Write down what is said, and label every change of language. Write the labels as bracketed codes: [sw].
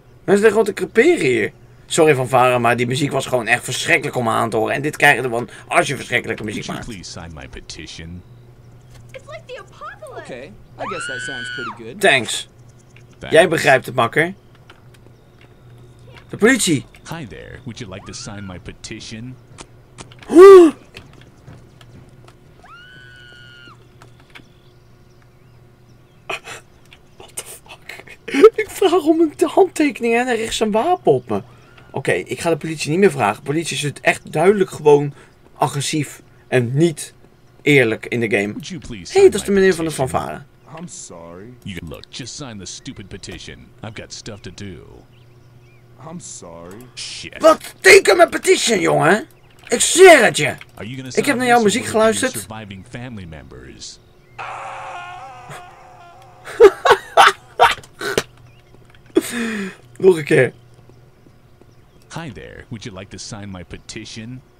[nl] Mensen liggen gewoon te creperen hier. Sorry van varen, maar die muziek was gewoon echt verschrikkelijk om aan te horen. En dit krijg je ervan als je verschrikkelijke muziek maakt. [en] Would you please sign my petition? It's like the apocalypse. Okay, I guess that sounds pretty good. Thanks. [nl] Jij begrijpt het, makker. De politie. [en] Hi there, would you like to sign my petition? What the fuck? [nl] Ik vraag om een handtekening en hij richt zijn wapen op me. Oké, ik ga de politie niet meer vragen. De politie is het echt duidelijk gewoon agressief en niet eerlijk in de game. Hé, hey, dat is de meneer van de fanfare. [en] I'm sorry. You can look, just sign the stupid petition. I've got stuff to do. I'm sorry. Shit. [nl] Wat? Teken mijn petition, jongen! Ik zeg het je! Ik heb naar jouw muziek geluisterd. [en] Surviving family members. [nl] Nog een keer. [en] Hi there. Would you like to sign my petition?